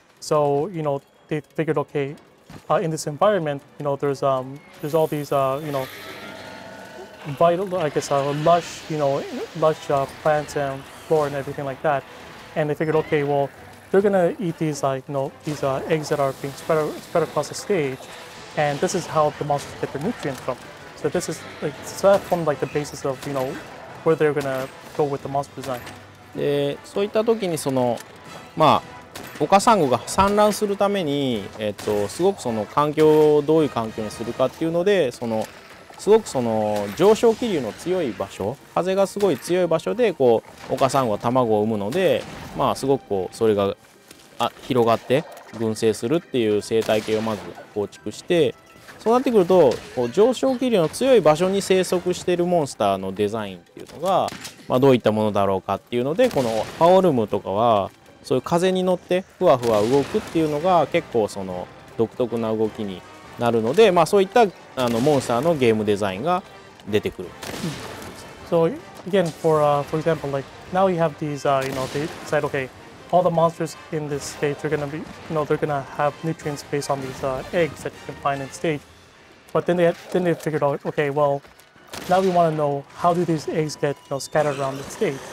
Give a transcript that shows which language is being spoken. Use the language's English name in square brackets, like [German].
[English] So, you know, they figured, okay, in this environment, you know, there's all these, you know,vital, I guess, lush, you know, lush plants and flora and everything like that. And they figured, okay, well, they're going to eat these, like, you know, these eggs that are being spread across the stage. And this is how the monsters get their nutrients from. So this is, like, so that formed, like, the basis of, you know, where they're going to go with the monster design. [Japanese] で、そういった時にその、まあ、オカサンゴが産卵するために、すごくその環境をどういう環境にするかっていうので、そのすごくその上昇気流の強い場所、風がすごい強い場所でこうオカサンゴは卵を産むので、まあすごくこうそれが広がって群生するっていう生態系をまず構築して、そうなってくるとこう上昇気流の強い場所に生息しているモンスターのデザインっていうのが、まあ、どういったものだろうかっていうので、このハオルムとかはそういう風に乗ってふわふわ動くっていうのが結構その独特な動きになるので、まあ、そういったあのモンスターのゲームデザインが出てくる。 [English] So again, for example, like now you have these, you know, they decide, okay, all the monsters in this stage are gonna be, you know, they're gonna have nutrients based on these eggs that you can find in stage. But then they figured out, okay, well, now we want to know how do these eggs get, you know, scattered around the stage?